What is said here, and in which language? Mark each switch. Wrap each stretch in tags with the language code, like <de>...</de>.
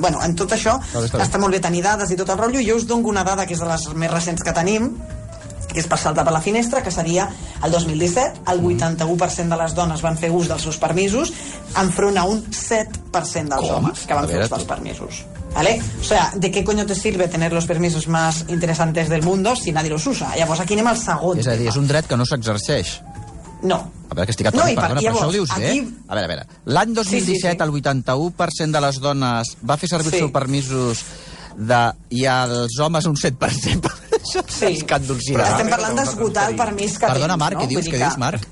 <ca>Bueno, en tot això està molt bé tenir dades i tot el rotllo. Jo us dono una dada que és de les més recents que tenim, que és per saltar per la finestra, que seria el 2017, el 81% de les dones van fer ús dels seus permisos enfront a un 7% dels homes que van fer ús dels permisos.</ca> <es>¿Vale? O sea, ¿de qué coño te sirve tener los permisos más interesantes del mundo si nadie los usa?</es> <ca>Llavors, aquí anem al segon. És a dir, és un dret que no s'exerceix. No. A veure, que estic atorant, no, perdona, llavors, però això ho dius aquí... bé. A veure, a veure. L'any 2017, sí, sí, sí. El 81% de les dones va fer servir els seus permisos de... i els homes un 7%. Sí. Sí. Estem parlant d'esgotar el permís que perdona, tens, Marc, no? Què dius, què dius, Marc?</ca>